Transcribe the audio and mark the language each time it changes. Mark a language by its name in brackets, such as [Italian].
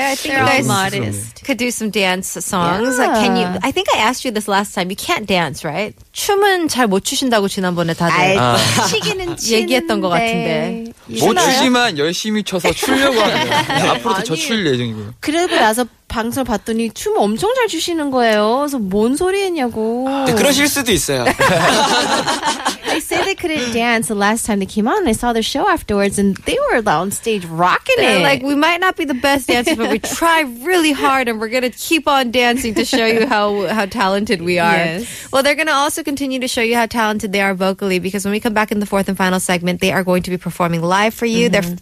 [English] I think you guys could do some dance songs. Yeah. Can you? I think I asked you this last time. You can't dance, right? [Korean] 춤은 잘 못 추신다고 지난번에 다들 추기는 얘기했던 것 같은데. 못 추지만 열심히 춰서 추려고 하네요. 앞으로도 저 출 예정이고요. 그래도 나서 방송을 봤더니 춤 엄청 잘 추시는 거예요. 그래서 뭔 소리 했냐고. 네, 그러실 수도 있어요. [English] They say they couldn't dance the last time they came on. I saw their show afterwards and they were on stage rocking They're it. Like, we might not be the best dancers, but we try really hard and we're going to keep on dancing to show you how talented we are. Yes. Well, they're going to also continue to show you how talented they are vocally because when we come back in the fourth and final segment, they are going to be performing live for you. Mm-hmm.